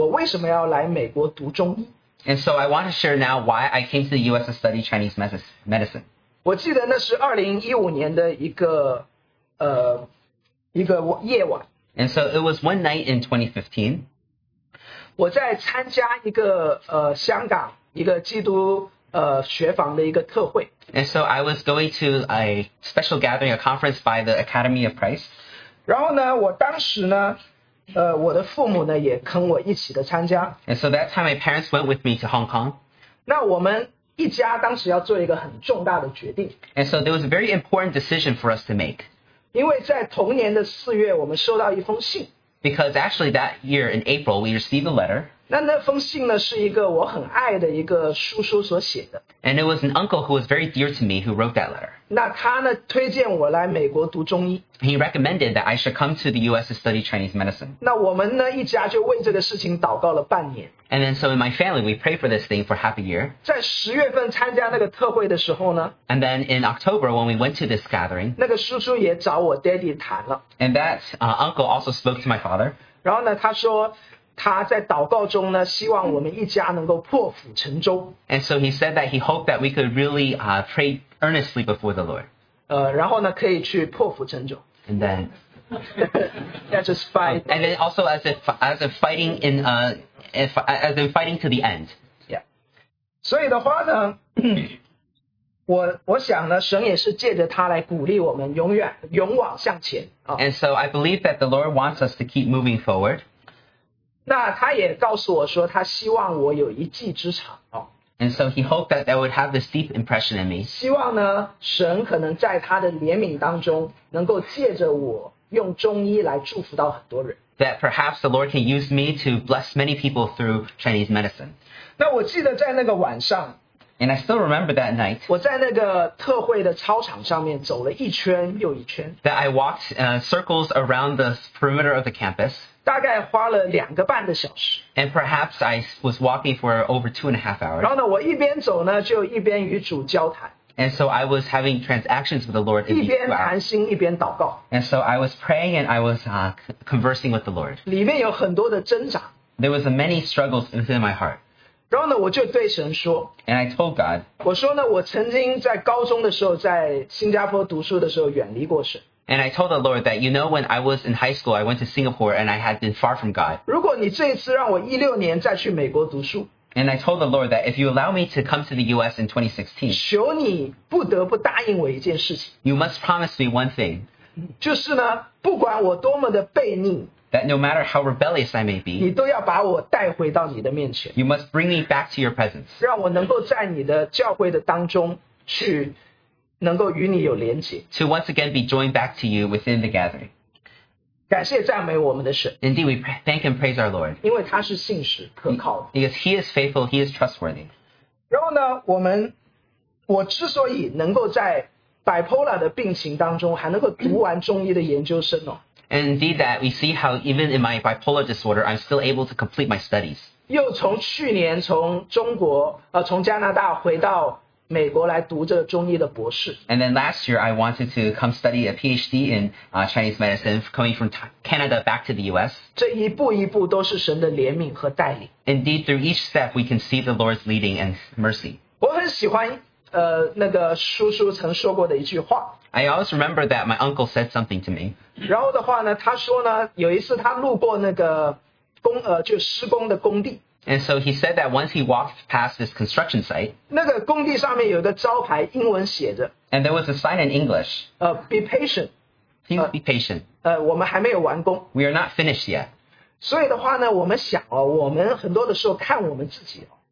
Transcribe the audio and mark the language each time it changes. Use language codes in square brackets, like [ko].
[zh] 那我今天呢,只share一个部分呢,是我为什么要来美国读中医。 [en] And so I want to share now why I came to the U.S. to study Chinese medicine. [zh] 我记得那是2015年的一个夜晚。 [en] And so it was one night in 2015. [zh] 我在参加一个香港一个基督 [en] And so I was going to a special gathering, a conference by the Academy of Christ. [zh] 然后呢, 我当时呢, 我的父母呢, 也跟我一起的参加。 [en] And so that time my parents went with me to Hong Kong. [zh] 那我们一家当时要做一个很重大的决定。 [en] And so there was a very important decision for us to make. [zh] 因为在同年的4月, 我们收到一封信。 [en] Because actually that year in April, we received a letter. [zh] 那封信呢,是一个我很爱的一个叔叔所写的。 [en] And it was an uncle who was very dear to me who wrote that letter. [zh] 那他呢,推荐我来美国读中医。 [en] He recommended that I should come to the U.S. to study Chinese medicine. [zh] 那我们呢,一家就为这个事情祷告了半年。 [en] And then so in my family, we prayed for this thing for half a year. [zh] 在10月份参加那个特会的时候呢, [en] And then in October, when we went to this gathering, [zh] 那个叔叔也找我爹地谈了。 [en] And that uncle also spoke to my father. [zh] 然后呢,他说, 他在祷告中呢, 希望我们一家能够破釜沉舟。 [en] And so he said that he hoped that we could really pray earnestly before the Lord. [zh] 然后呢, 可以去破釜沉舟。 [en] And then that's just fight. And then also as if fighting to the end. Yeah. [zh] 所以的话呢，我想呢，神也是借着他来鼓励我们永远勇往向前。 [en] And so I believe that the Lord wants us to keep moving forward. [zh] 那他也告诉我说，他希望我有一技之长。 [en] And so he hoped that I would have this deep impression in me. [zh] 希望呢，神可能在他的怜悯当中，能够借着我用中医来祝福到很多人。 [en] That perhaps the Lord can use me to bless many people through Chinese medicine. [zh] 那我记得在那个晚上。 [en] And I still remember that night. [zh] 我在那个特会的操场上面走了一圈又一圈。 [en] That I walked circles around the perimeter of the campus. [zh] 大概花了两个半的小时。 [en] And perhaps I was walking for over 2.5 hours. [zh] 然后呢，我一边走呢，就一边与主交谈。 [en] And so I was having transactions with the Lord. [zh] 一边谈心一边祷告。 [en] And so I was praying and I was conversing with the Lord. [zh] 里面有很多的挣扎。 [en] There was many struggles within my heart. [zh] 然后呢，我就对神说。 [en] And I told God. [zh] 我说呢，我曾经在高中的时候，在新加坡读书的时候，远离过神。 [en] And I told the Lord that, you know, when I was in high school, I went to Singapore and I had been far from God. [zh] 如果你这一次让我16年再去美国读书。 [en] And I told the Lord that if you allow me to come to the U.S. in 2016, [zh] 求你不得不答应我一件事情。 [en] You must promise me one thing. [zh] 就是呢，不管我多么的悖逆。 [en] That no matter how rebellious I may be, [zh] 你都要把我带回到你的面前。 [en] You must bring me back to your presence. [zh] 让我能够在你的教会的当中去，能够与你有连结。 [en] To once again be joined back to you within the gathering. [zh] 感谢赞美我们的神。 [en] Indeed, we thank and praise our Lord. [zh] 因为他是信实可靠的。 [en] Because he is faithful, he is trustworthy. [zh] 然后呢，我之所以能够在bipolar 的病情当中还能够读完中医的研究生哦。 [en] And indeed that we see how even in my bipolar disorder, I'm still able to complete my studies. [zh] 又从去年从中国从加拿大回到美国来读这个中医的博士。 [en] And then last year, I wanted to come study a PhD in Chinese medicine, coming from Canada back to the US. [zh] 这一步一步都是神的怜悯和带领。 [en] Indeed, through each step, we can see the Lord's leading and mercy. [zh] 我很喜欢那个叔叔曾说过的一句话。 [en] I always remember that my uncle said something to me. [zh] 然后的话呢，他说呢，有一次他路过那个就施工的工地。 [en] And so he said that once he walked past this construction site, [zh] 那个工地上面有一个招牌英文写着。 [en] And there was a sign in English. Be patient. Please be patient. [zh] 我们还没有完工。 [en] We are not finished yet. [zh] 所以的话呢，我们想哦，我们很多的时候看我们自己哦。